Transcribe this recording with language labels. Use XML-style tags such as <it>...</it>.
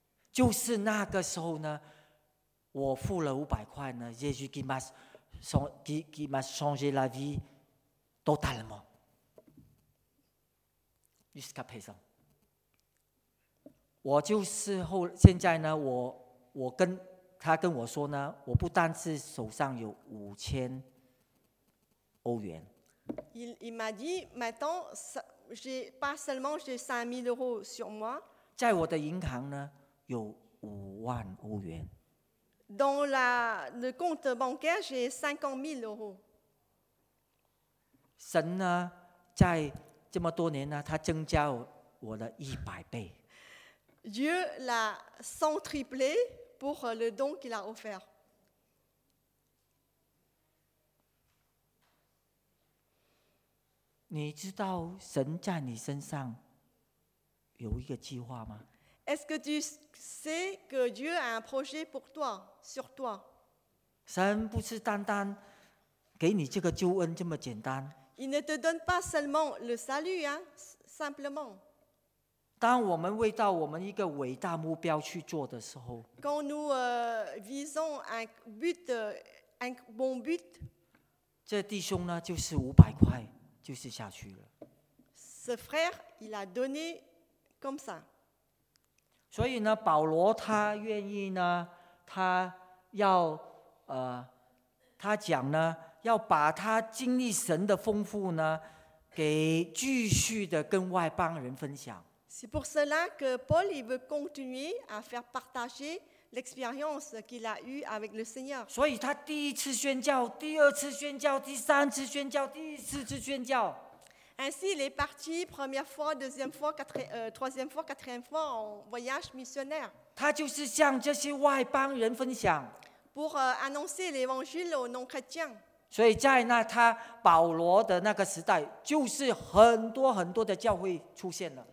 <zh>就是那个时候呢，我付了五百块呢，耶稣给</zh> <fr>m'a changé la vie totalement jusqu'à présent.</fr> <zh>我就是后现在呢，我跟他跟我说呢，我不但是手上有5000欧元。</zh> <fr>Il m'a dit maintenant ça. J'ai pas seulement j'ai 5000 euros sur moi.</fr> <zh>在我的银行呢有50000欧元。</zh> <fr>Dans le compte bancaire j'ai 50000 euros.</fr> <zh>神呢在这么多年呢，他增加我的100倍。</zh> <fr>Dieu l'a centuplé pour le don qu'il a offert.</fr> <zh>你知道神在你身上有一个计划吗？</zh> <fr>Est-ce que tu sais que Dieu a un projet pour toi, sur toi?</fr> <zh>神不是单单给你这个救恩这么简单。</zh> <fr>Il ne te donne pas seulement le salut, hein, simplement.</fr> <zh>当我们为到我们一个伟大目标去做的时候，</zh> <fr>Quand nous visons un but, un bon but,</fr> <zh>这弟兄呢就是五百块。就是下去了。</zh> <fr>Ce frère, il a donné comme ça.</fr> <zh>所以呢，保罗他愿意呢，他要他讲呢，要把他经历神的丰富呢，给继续的跟外邦人分享。</zh> <fr>C'est pour cela que Paul il veut continuer à faire partager l'expérience qu'il a eue avec le Seigneur.</fr> <zh>所以他第一次宣教，第二次宣教，第三次宣教，第四次宣教。</zh> <fr>Ainsi, il est parti première fois, deuxième fois, troisième fois, quatrième fois en voyage missionnaire.</fr> <zh>他就是向这些外邦人分享。</zh> <fr>Pour annoncer l'évangile aux non-chrétiens.</fr> <zh>所以在那他保罗的那个时代，就是很多很多的教会出现了。</zh>